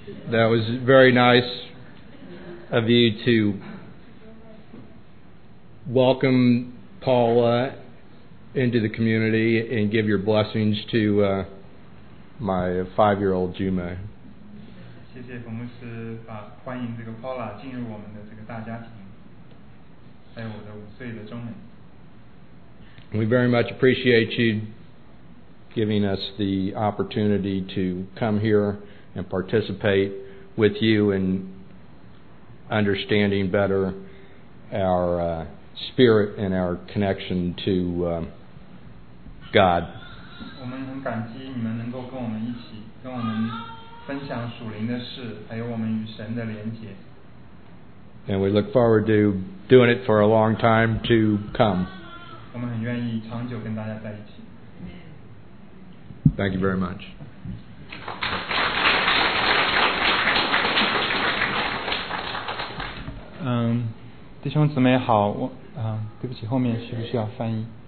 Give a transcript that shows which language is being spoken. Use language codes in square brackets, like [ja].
[en] That was very nice of you to welcome Paula into the community and give your blessings to my 5-year-old Juma. [zh] 谢谢冯牧师把欢迎这个 Paula 进入我们的这个大家庭，还有我的5岁的钟美。 [en] We very much appreciate you giving us the opportunity to come here and participate with you in understanding better our spirit and our connection to God. [zh] 我们很感激你们能够跟我们一起，跟我们分享属灵的事，还有我们与神的连结。 [en] And we look forward to doing it for a long time to come. [zh] 我们很愿意长久跟大家在一起。 [en] Thank you very much. [zh] Um, 弟兄姊妹好，我对不起，后面需不需要翻译？